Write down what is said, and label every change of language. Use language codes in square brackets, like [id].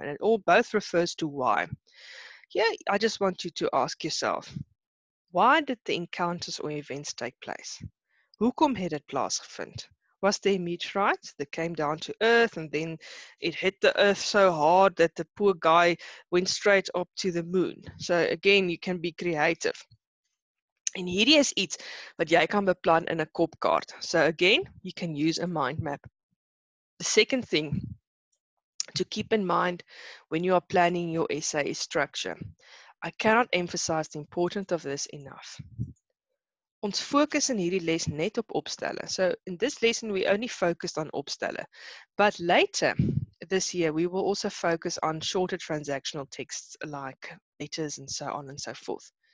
[en] And it all both refers to why. Here, I just want you to ask yourself, why did the encounters or events take place? [af] Hoekom het dit plaasgevind? [en] Was there a meteorite that came down to Earth and then it hit the Earth so hard that the poor guy went straight up to the moon? So again, you can be creative. [af] En hierdie is iets wat jy kan beplan in 'n kopkaart. [en] So again, you can use a mind map. The second thing to keep in mind when you are planning your essay is structure. I cannot emphasize the importance of this enough. [af] Ons fokus in hierdie les net op opstelle. [en] So in this lesson we only focused on opstelle. But later this year we will also focus on shorter transactional texts like letters and so on and so forth.